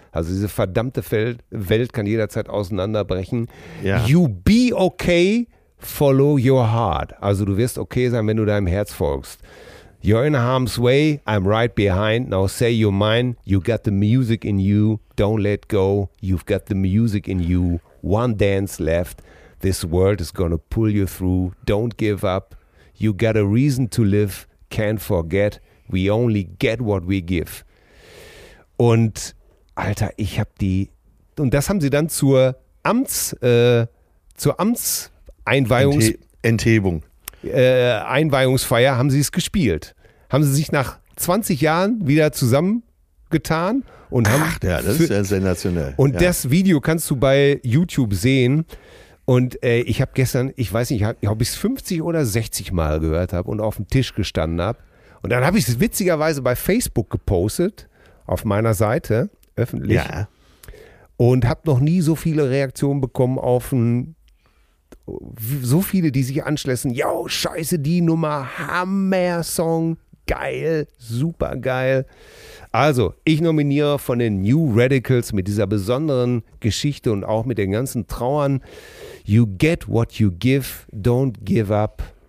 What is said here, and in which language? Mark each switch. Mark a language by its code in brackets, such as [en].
[de] Also diese verdammte Welt kann jederzeit auseinanderbrechen. Ja. [en] You be okay, follow your heart. [de] Also du wirst okay sein, wenn du deinem Herz folgst. [en] You're in harm's way, I'm right behind. Now say you're mine, you got the music in you. Don't let go, you've got the music in you. One dance left, this world is gonna pull you through. Don't give up, you got a reason to live. Can't forget, we only get what we give. [de] Und Alter, ich hab die... Und das haben sie dann zur Amtseinweihung... Enthebung. Einweihungsfeier haben sie es gespielt. Haben sie sich nach 20 Jahren wieder zusammengetan und haben... Ach, ja, das ist ja sensationell. Und ja. Das Video kannst du bei YouTube sehen. Und ich habe gestern, ich weiß nicht, ob ich es 50 oder 60 Mal gehört habe und auf dem Tisch gestanden habe. Und dann habe ich es witzigerweise bei Facebook gepostet, auf meiner Seite, öffentlich. Ja. Und habe noch nie so viele Reaktionen bekommen auf ein... So viele, die sich anschließen, yo, scheiße, die Nummer, Hammer-Song, geil, super geil. Also, ich nominiere von den New Radicals mit dieser besonderen Geschichte und auch mit den ganzen Trauern. [en] You get what you give, don't give up.